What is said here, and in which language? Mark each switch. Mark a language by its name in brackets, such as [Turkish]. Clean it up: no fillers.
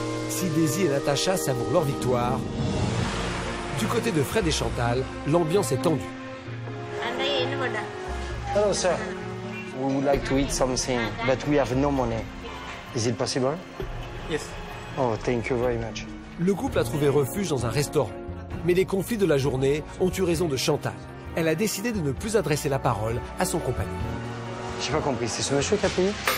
[French] Si Daisy et Natacha savourent leur victoire, du côté de Fred et Chantal, l'ambiance est tendue. [English] Hello, sir. We would like to eat something, but we have no money. Is it possible? Yes. Oh, thank you very much. [French] Le couple a trouvé refuge dans un restaurant. Mais les conflits de la journée ont eu raison de Chantal. Elle a décidé de ne plus adresser la parole à son compagnon. J'ai pas compris, c'est ce monsieur qui a payé?